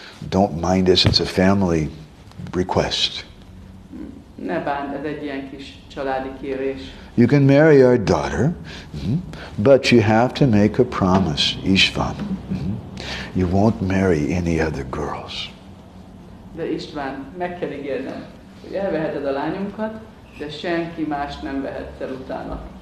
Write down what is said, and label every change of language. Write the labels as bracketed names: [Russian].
[English] Don't mind us, it's a family request. [Hungarian] Ne bánd, ez egy ilyen kis családi kérés. [English] You can marry our daughter, but you have to make a promise, István. You won't marry any other girls. [Hungarian] De István, meg kell ígérnem, hogy elveheted a lányunkat, de senki más nem vehetsz el utána.